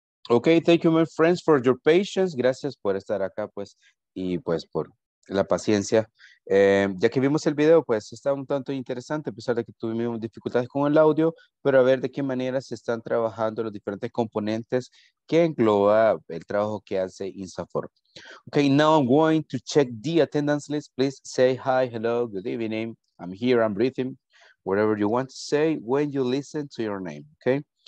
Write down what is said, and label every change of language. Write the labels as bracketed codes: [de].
[en] Okay, thank you, my friends, for your patience. [es] Gracias por estar acá, pues, y pues por la paciencia. Ya que vimos el video, pues, está un tanto interesante, a pesar de que tuvimos dificultades con el audio, pero a ver de qué manera se están trabajando los diferentes componentes que engloba el trabajo que hace INSAFORP. [en] Okay, now I'm going to check the attendance list. Please say hi, hello, good evening. I'm here, I'm breathing. Whatever you want to say when you listen to your name, okay?